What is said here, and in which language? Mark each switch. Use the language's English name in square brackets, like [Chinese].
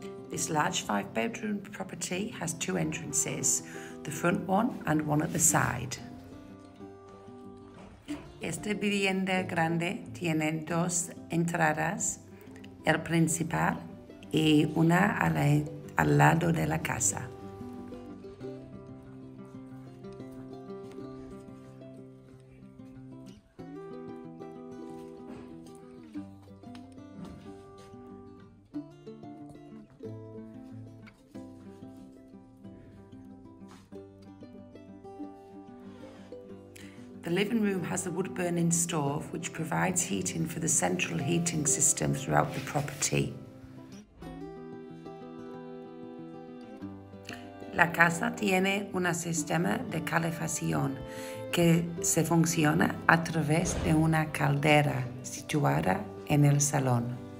[English] This large 5-bedroom property has 2 entrances, the front one and one at the side. [Spanish] Esta vivienda grande tiene 2 entradas, el principal y una al lado de la casa. [English] The living room has a wood-burning stove which provides heating for the central heating system throughout the property. [Spanish] La casa tiene un sistema de calefacción que se funciona a través de una caldera situada en el salón.